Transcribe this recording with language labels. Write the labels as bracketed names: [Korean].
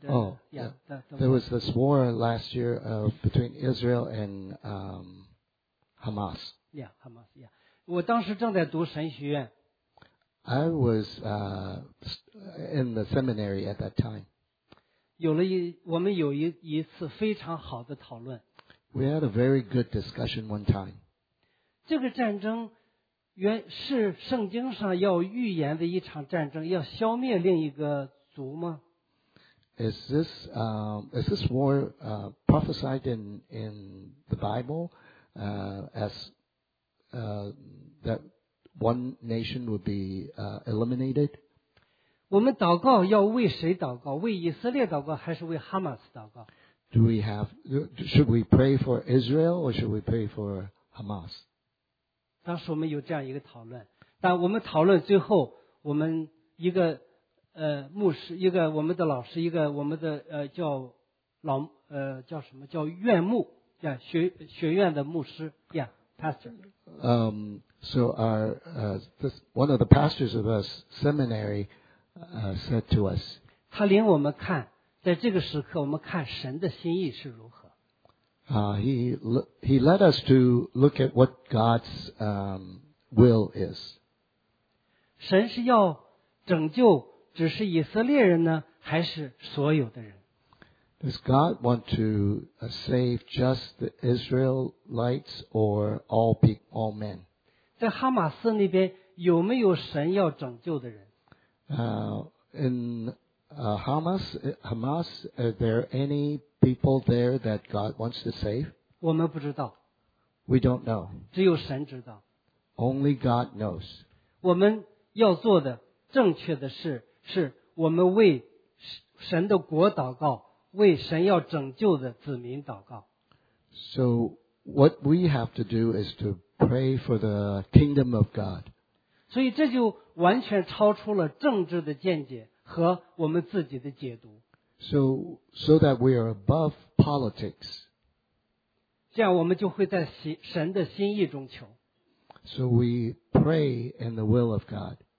[English] There was this war last year between Israel and Hamas. Yeah, Hamas. Yeah. [Chinese] 我当时正在读神学院。 [English] I was in the seminary at that time. [Chinese] 有了我们有一次非常好的讨论。 [English] We had a very good discussion one time. [Chinese] 这个战争是圣经上要预言的一场战争，要消灭另一个族吗？ [English] Is this war prophesied in the Bible as that One nation would be eliminated. [Chinese] 我们祷告要为谁祷告？为以色列祷告，还是为哈马斯祷告？ [English] Should we pray for Israel or should we pray for Hamas? [Chinese] 当时我们有这样一个讨论，但我们讨论最后，我们一个牧师，一个我们的老师，一个我们的叫老叫什么叫院牧呀，学院的牧师呀 ，pastor。 [English] So one of the pastors of a seminary said to us, [Chinese] 他领我们看，在这个时刻我们看神的心意是如何。 [English] He led us to look at what God's will is. [Chinese] 神是要拯救只是以色列人呢，还是所有的人？ [English] Does God want to save just the Israelites or all people, all men? [Chinese] 在哈马斯那边有没有神要拯救的人？ [English] In Hamas, are there any people there that God wants to save? [Chinese] 我们不知道。 [English] We don't know. [Chinese] 只有神知道。 [English] Only God knows. [Chinese] 我们要做的正确的事，是我们为神的国祷告，为神要拯救的子民祷告。 [English] So what we have to do is to pray for the kingdom of God. [Chinese] 所以这就完全超出了政治的见解和我们自己的解读。 [English] So that we are above politics. [Chinese] 这样我们就会在神的心意中求。 [English] So we pray in the will of God.